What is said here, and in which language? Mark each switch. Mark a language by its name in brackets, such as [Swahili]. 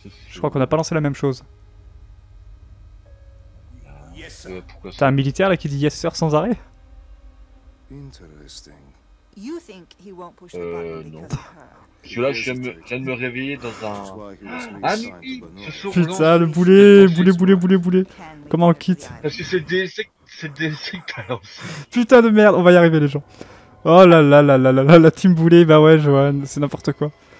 [French] Je crois qu'on n'a pas lancé la même chose. [English] Yes, sir. [French] T'as un militaire là qui dit [English] yes sir [French] sans arrêt. [English] Interesting. You think he won't push the button because of her. [French] Celui-là, je viens de me réveiller dans un. Ah, putain, le boulet. Comment on quitte? Parce que c'est DLC, que t'as lancé. Putain de merde, on va y arriver les gens. Oh là là là là là là, la team boulet, bah ouais, Johan, c'est n'importe quoi.